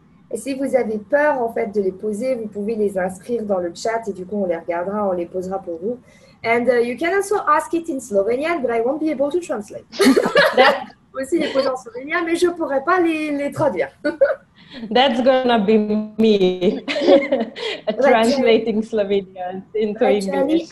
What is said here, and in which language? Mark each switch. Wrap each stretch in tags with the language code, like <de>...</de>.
<fr>Et si vous avez peur en fait de les poser, vous pouvez les inscrire dans le chat et du coup on les regardera, on les posera pour vous.</fr> <en>And you can also ask it in Slovenian, but I won't be able to translate.</en> <fr>Aussi les poser en Slovenian, mais je pourrai pas les traduire.</fr> <en>That's gonna be me translating Slovenian into English.</en>